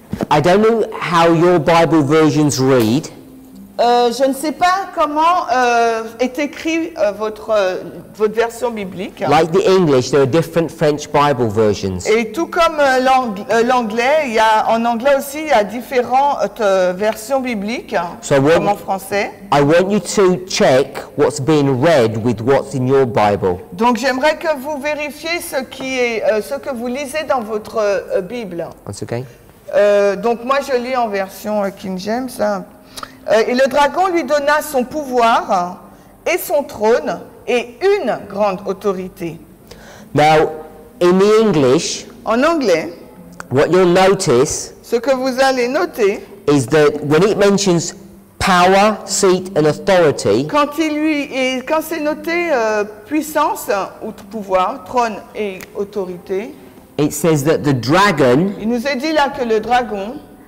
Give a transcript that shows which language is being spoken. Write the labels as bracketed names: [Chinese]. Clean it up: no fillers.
[English] I don't know how your Bible versions read. [French] Je ne sais pas comment est écrit votre version biblique. [English] Like the English, there are different French Bible versions. [French] Et tout comme l'anglais, il y a différentes versions bibliques, [English] so [French] comme en français. [English] I want you to check what's being read with what's in your Bible. [French] Donc j'aimerais que vous vérifiez ce qui est ce que vous lisez dans votre Bible. [English] That's okay. [French] Donc moi je lis en version King James. Et le dragon lui donna son pouvoir et son trône et une grande autorité. [English] Now, in the English, [French] en anglais, [English] what you'll notice, [French] ce que vous allez noter, [English] is that when it mentions power, seat, and authority, [French] quand c'est noté puissance ou pouvoir, trône et autorité, [English] it says that the dragon, [French] il nous est dit là que le dragon